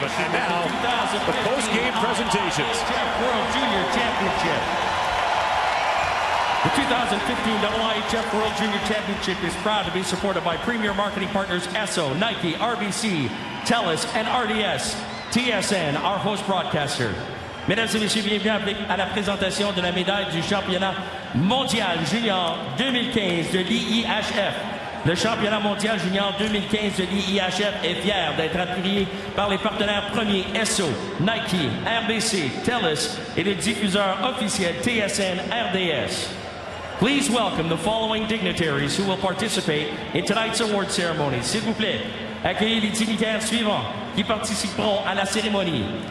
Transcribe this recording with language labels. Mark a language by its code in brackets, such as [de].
[en] And now, the post-game presentations. World Junior Championship. The 2015 IHF World Junior Championship is proud to be supported by premier marketing partners Esso, Nike, RBC, TELUS, and RDS. TSN, our host broadcaster. [fr] Mesdames et messieurs, bienvenue à la présentation de la médaille du championnat mondial junior 2015 de l'IIHF. Le championnat mondial junior 2015 de l'IIHF est fier d'être appuyé par les partenaires premiers Esso, Nike, RBC, TELUS et les diffuseurs officiels TSN, RDS. [en] Please welcome the following dignitaries who will participate in tonight's award ceremony. [fr] S'il vous plaît, accueillez les dignitaires suivants qui participeront à la cérémonie.